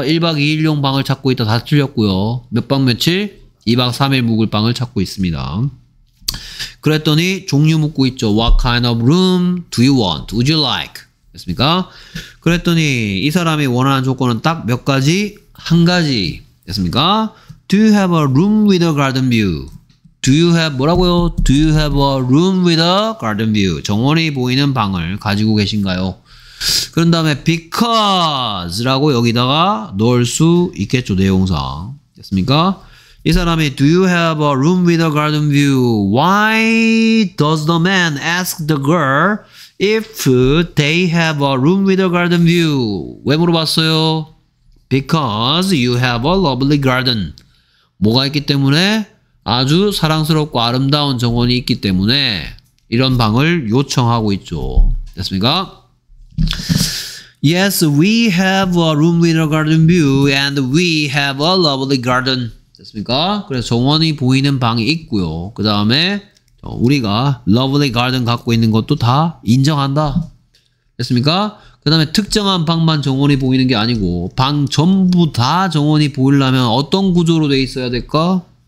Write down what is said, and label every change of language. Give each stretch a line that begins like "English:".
Korean: 1박 2일용 방을 찾고 있다. 다 틀렸고요. 몇 박 며칠? 2박 3일 묵을 방을 찾고 있습니다. 그랬더니 종류 묻고 있죠.
English: What kind of room do you want? Would you like?
Korean: 됐습니까? 그랬더니 이 사람이 원하는 조건은 딱 몇 가지? 한 가지. 됐습니까?
English: Do you have a room with a garden view? Do you have
Korean: 뭐라고요?
English: Do you have a room with a garden view?
Korean: 정원이 보이는 방을 가지고 계신가요? 그런 다음에 because라고 여기다가 넣을 수 있겠죠. 내용상. 됐습니까? 이 사람이
English: Do you have a room with a garden view? Why does the man ask the girl if they have a room with a garden view?
Korean: 왜 물어봤어요?
English: Because you have a lovely garden.
Korean: 뭐가 있기 때문에? 아주 사랑스럽고 아름다운 정원이 있기 때문에 이런 방을 요청하고 있죠. 됐습니까?
English: Yes, we have a room with a garden view and we have a lovely garden.
Korean: 됐습니까? 그래서 정원이 보이는 방이 있고요. 그 다음에 우리가
English: lovely garden
Korean: 갖고 있는 것도 다 인정한다. 됐습니까? 그 다음에 특정한 방만 정원이 보이는 게 아니고 방 전부 다 정원이 보이려면 어떤 구조로 돼 있어야 될까?